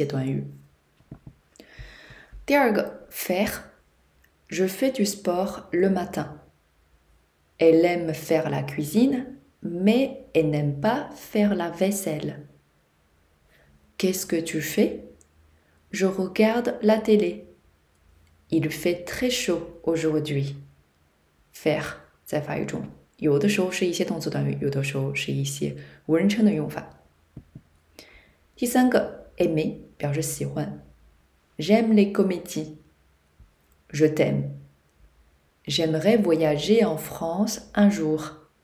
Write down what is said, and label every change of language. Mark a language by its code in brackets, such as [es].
[zh] 后三个其实都用到了avoir的一些短语。第二个, faire. [fr] Je fais du sport le matin. Elle aime faire la cuisine, mais elle n'aime pas faire la vaisselle. Qu'est-ce que tu fais? Je regarde la télé. Il fait très chaud aujourd'hui. [zh] Faire, 在法语中, 有的时候是一些动词短语, 有的时候是一些无人称的用法。第三个, aimer, 表示喜欢。 [fr] J'aime les comédies. Je t'aime. J'aimerais voyager en France un jour.